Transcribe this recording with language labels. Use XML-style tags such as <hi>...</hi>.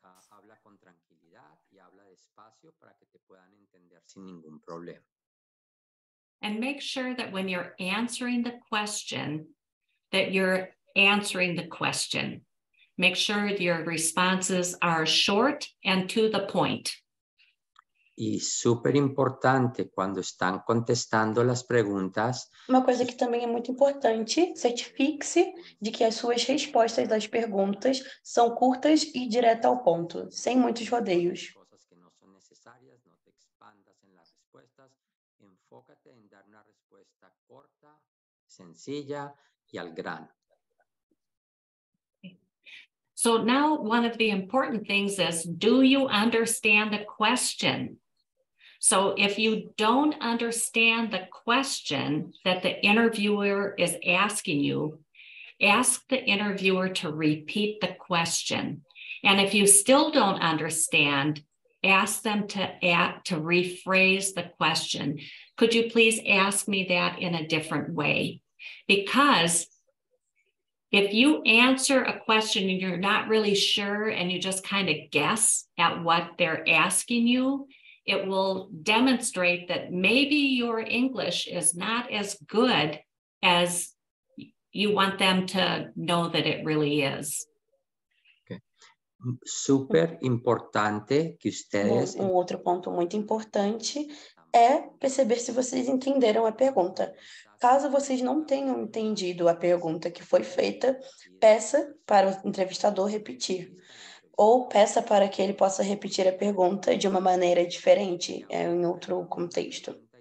<es>Habla</es> <pt>com tranquilidade e</pt> <es>habla despacio para que te puedan entender</es> <pt>sem nenhum problema.</pt> <en>And make sure that when you're answering the question, that you're answering the question. Make sure that your responses are short and to the point.</en> <es>Y súper importante cuando están contestando las preguntas. Una cosa que también es muy importante,</es> <pt>certifique-se de que as suas respostas às perguntas são curtas e direto ao ponto, sem muitos rodeios.</pt> <es>Cosas que no son necesarias, no te expandas en las respuestas, enfócate en dar una respuesta corta, sencilla y al grano.</es> <en>So now one of the important things is, do you understand the question? So if you don't understand the question that the interviewer is asking you, ask the interviewer to repeat the question. And if you still don't understand, ask them to rephrase the question. Could you please ask me that in a different way? Because if you answer a question and you're not really sure and you just kind of guess at what they're asking you, it will demonstrate that maybe your English is not as good as you want them to know that it really is.</en> <es>Okay. Super importante que ustedes...</es> <pt>Um outro ponto muito importante é perceber se vocês entenderam a pergunta. Caso vocês não tenham entendido a pergunta que foi feita, peça para o entrevistador repetir. Ou peça para que ele possa repetir a pergunta de uma maneira diferente, em outro contexto.</pt>